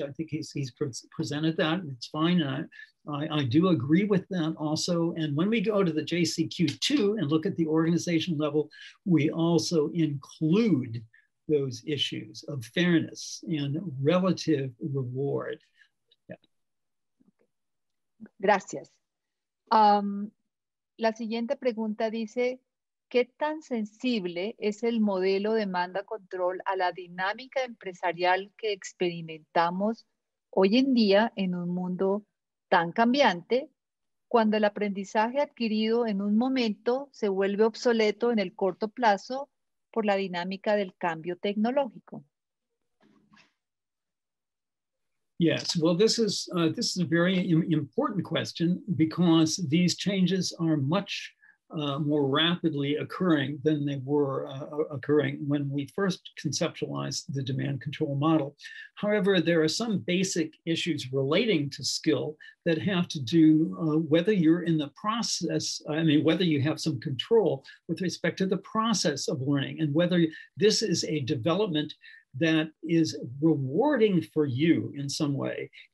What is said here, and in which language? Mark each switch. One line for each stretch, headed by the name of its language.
English: I think he's presented that. It's fine. I do agree with that also. And when we go to the JCQ2 and look at the organization level, we also include those issues of fairness and relative reward.
Spanish: Gracias. La siguiente pregunta dice, ¿qué tan sensible es el modelo demanda-control a la dinámica empresarial que experimentamos hoy en día en un mundo tan cambiante cuando el aprendizaje adquirido en un momento se vuelve obsoleto en el corto plazo por la dinámica del cambio tecnológico?
English: Yes, well, this is a very important question because these changes are much more rapidly occurring than they were occurring when we first conceptualized the demand control model. However, there are some basic issues relating to skill that have to do whether you're in the process, I mean, whether you have some control with respect to the process of learning and whether this is a development that is rewarding for you in some way.